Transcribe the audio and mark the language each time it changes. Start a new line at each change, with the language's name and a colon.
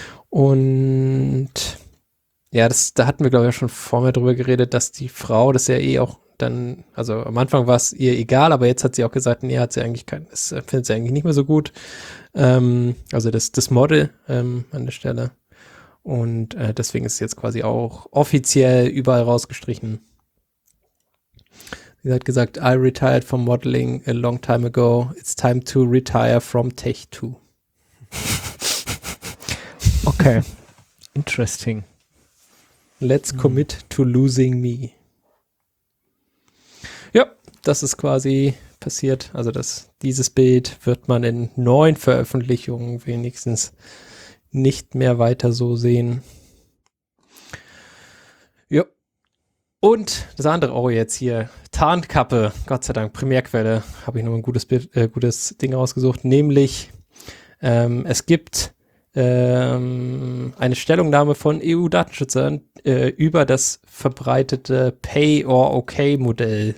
German: Und ja, da hatten wir, glaube ich, schon vorher drüber geredet, dass die Frau das ja eh auch dann, also am Anfang war es ihr egal, aber jetzt hat sie auch gesagt, nee, hat sie eigentlich kein, das findet sie eigentlich nicht mehr so gut. Also das Model an der Stelle. Und deswegen ist es jetzt quasi auch offiziell überall rausgestrichen. Sie hat gesagt,
English: I retired from modeling a long time ago. It's time to retire from tech too. Okay. Interesting. Let's commit to losing me.
German: Ja, das ist quasi passiert. Also dieses Bild wird man in neuen Veröffentlichungen wenigstens nicht mehr weiter so sehen. Ja. Und das andere, oh, jetzt hier, Tarnkappe, Gott sei Dank, Primärquelle, habe ich noch ein gutes Ding rausgesucht, nämlich es gibt eine Stellungnahme von EU-Datenschützern über das verbreitete Pay-or-Okay-Modell.